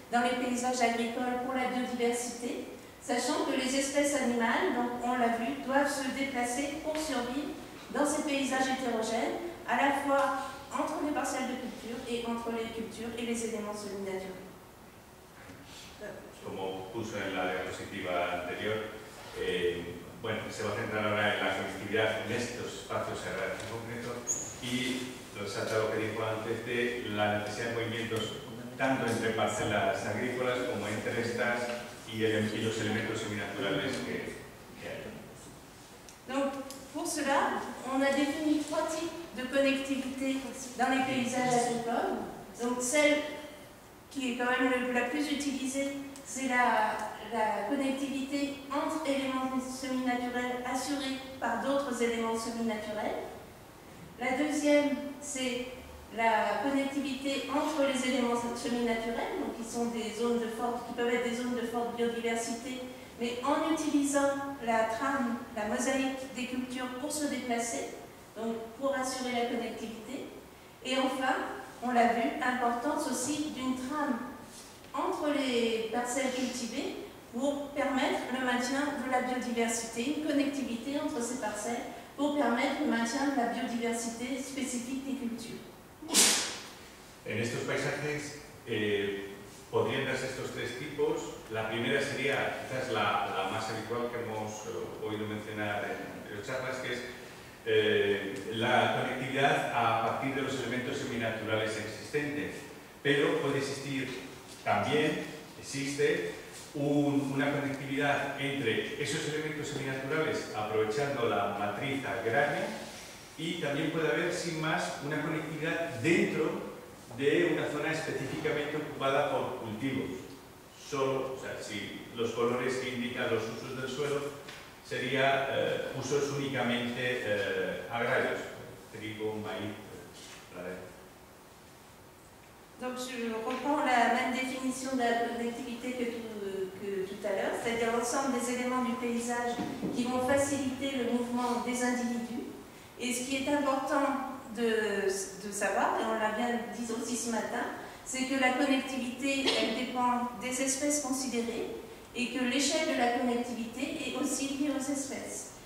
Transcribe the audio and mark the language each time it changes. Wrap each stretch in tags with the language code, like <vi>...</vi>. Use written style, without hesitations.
<fr>Dans les paysages agricoles pour la biodiversité, sachant que les espèces animales, donc on l'a vu, doivent se déplacer pour survivre dans ces paysages hétérogènes, à la fois entre les parcelles de culture et entre les cultures et les éléments semi-naturels.</fr> <es>Comme puso en la diapositiva anterior, bueno, se va a centrar ahora en la conectividad en estos espacios agrarios en concreto. y lo exacto que dijo antes de la necesidad de movimientos tanto entre parcelas agrícolas como entre estas y los elementos seminaturales que hay.</es> <fr>Donc, pour cela, on a défini trois types de connectivité dans les paysages agricoles. Donc, celle qui est quand même la plus utilisée, c'est la connectivité entre éléments semi-naturels assurés par d'autres éléments semi-naturels. La deuxième, c'est la connectivité entre les éléments semi-naturels, donc qui sont des zones de forte, qui peuvent être des zones de forte biodiversité, mais en utilisant la trame, la mosaïque des cultures pour se déplacer, donc pour assurer la connectivité. Et enfin, on l'a vu, l'importance aussi d'une trame entre les parcelles cultivées pour permettre le maintien de la biodiversité, une connectivité entre ces parcelles pour permettre le maintien de la biodiversité spécifique des cultures.</fr> <es>En estos paisajes podrían darse estos tres tipos. La primera sería quizás la más habitual que hemos oído mencionar en las charlas, que es la conectividad a partir de los elementos seminaturales existentes. Pero puede existir también, existe, una conectividad entre esos elementos seminaturales aprovechando la matriz agraria, y también puede haber, sin más, una conectividad dentro de una zona específicamente ocupada por cultivos. Solo, o sea, si los colores que indican los usos del suelo serían usos únicamente agrarios, trigo, maíz, etc.</es> <fr>Donc je comprends la même définition de la connectivité que tout à l'heure, c'est-à-dire l'ensemble des éléments du paysage qui vont faciliter le mouvement des individus. Et ce qui est important de savoir, et on l'a bien dit aussi ce matin, c'est que la connectivité, elle dépend des espèces considérées et que l'échelle de la connectivité est aussi liée aux espèces.</fr>